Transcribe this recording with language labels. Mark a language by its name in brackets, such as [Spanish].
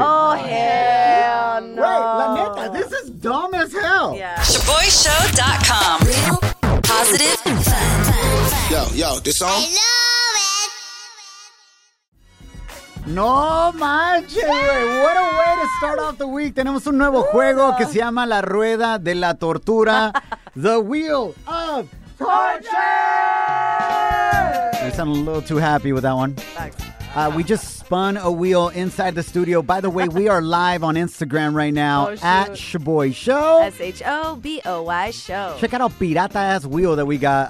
[English] Oh, hell no. Wait, La Neta, this is dumb as hell. Yeah. ShaboyShow.com. Real positive fun. Yo, this song. I love it. [Spanish] No manches, güey. Yeah. [English] What a way to start off the week. [Spanish] Tenemos un nuevo juego que se llama La Rueda de la Tortura. [English] The Wheel of Torture. I sound a little too happy with that one. We just spun a wheel inside the studio. By the way, we are live on Instagram right now at Shaboy Show. S-H-O-B-O-Y Show. Check out our pirata ass wheel that we got.